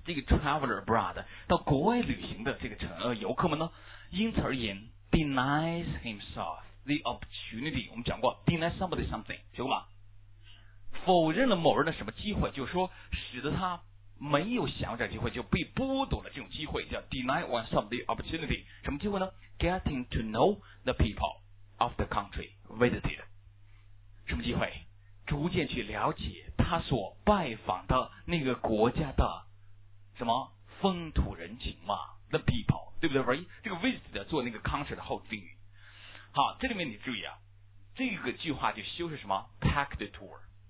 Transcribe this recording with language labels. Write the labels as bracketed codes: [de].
[zh] 这个 [en] traveler abroad [zh] 到国外旅行的这个游客们呢，因此而言 [en] denies himself the opportunity。 [zh] 我们讲过 [en] deny somebody something， [zh] 行吗？否认了某人的什么机会，就是说使得他没有享有这机会，就被剥夺了这种机会，叫 [en] deny one somebody opportunity。 [zh] 什么机会呢？ [en] getting to know the people of the country visited。 [zh] 什么机会？逐渐去了解他所拜访的那个国家的什么风土人情嘛， [en] the people， [zh] 对不对？这个 visited 做那个 country 的后定语。好，这里面你注意啊，这个句话就修饰什么 packed tour。